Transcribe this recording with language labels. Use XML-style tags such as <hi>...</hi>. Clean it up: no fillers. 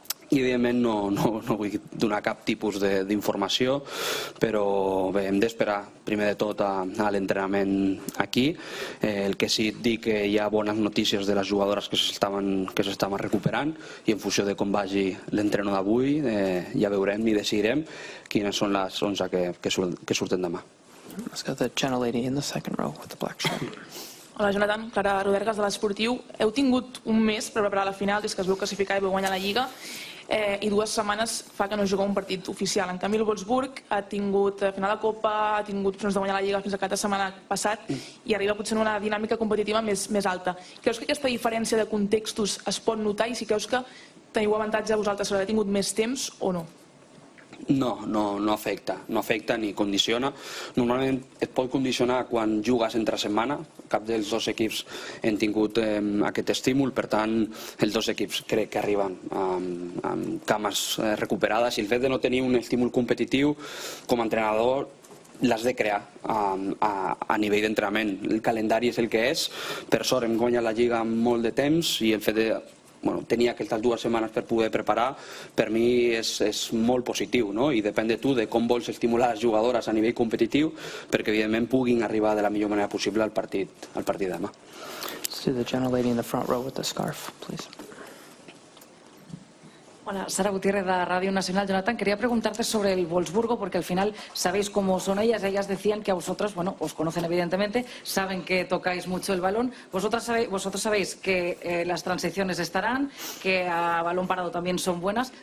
<ca>I, evidentment, no vull donar cap tipus d'informació, però bé, hem d'esperar, primer de tot, a l'entrenament aquí. El que sí dic que hi ha bones notícies de les jugadores que s'estaven recuperant i en funció de com vagi l'entreno d'avui ja veurem i decidirem quines són les 11 que surten demà.</ca> <en>Let's go to the gentle lady in the second row with the black shirt.</en> <ca>Hola, Jonathan. Clara Rodergas, de l'Esportiu. Heu tingut un mes per preparar la final des que es veu classificar i veu guanyar la Lliga i dues setmanes fa que no jugueu un partit oficial. En canvi, el Wolfsburg ha tingut final de Copa, ha tingut opcions de guanyar la Lliga fins a cada setmana passat i arriba potser en una dinàmica competitiva més alta. Creus que aquesta diferència de contextos es pot notar i si creus que teniu avantatge a vosaltres, haurà tingut més temps o no? No afecta ni condiciona. Normalment et pot condicionar quan jugues entre setmana. Cap dels dos equips hem tingut aquest estímul, per tant els dos equips crec que arriben amb cames recuperades i el fet de no tenir un estímul competitiu com a entrenador l'has de crear a nivell d'entrenament. El calendari és el que és. Per sort hem guanyat la Lliga amb molt de temps i el fet de bueno, tenia aquestes dues setmanes per poder preparar, per mi és molt positiu, no? I depèn de tu, de com vols estimular les jugadores a nivell competitiu perquè evidentment puguin arribar de la millor manera possible al partit demà.</ca> <en>See the gentle lady in the front row with the scarf, please.</en> <es>Hola, Sara Gutiérrez de Radio Nacional. Jonathan, quería preguntarte sobre el Wolfsburgo, porque al final sabéis cómo son ellas. Ellas decían que a vosotras, bueno, os conocen evidentemente, saben que tocáis mucho el balón. Vosotros sabéis que las transiciones estarán, que a balón parado también son buenas.</es>